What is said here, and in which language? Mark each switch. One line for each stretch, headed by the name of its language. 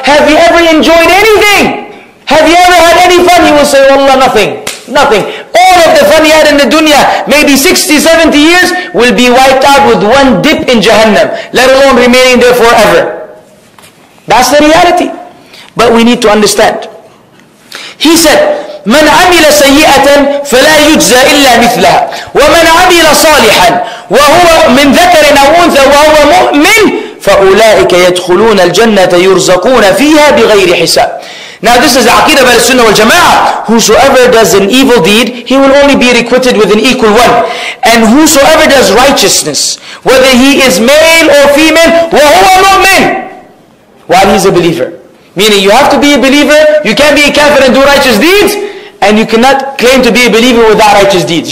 English: Have you ever enjoyed anything? Have you ever had any fun? He will say, Allah, nothing. Nothing. All of the fun he had in the dunya, maybe 60, 70 years, will be wiped out with one dip in Jahannam, let alone remaining there forever. That's the reality. But we need to understand. He said,
Arabic: من عمل سيئة فلا يجزى إلا مثلها ومن عمل صالحا وهو من ذكر أو أنثى وهو مؤمن فأولئك يدخلون الجنة يرزقون فيها بغير حساب.
English: Now this is aqidah of al-sunnah wal-jama'ah. Whosoever does an evil deed, he will only be requited with an equal one. And whosoever does righteousness, whether he is male or female,
Arabic: وهو مؤمن,
English: while he's a believer. Meaning you have to be a believer, you can't be a kafir and do righteous deeds, and you cannot claim to be a believer without righteous deeds.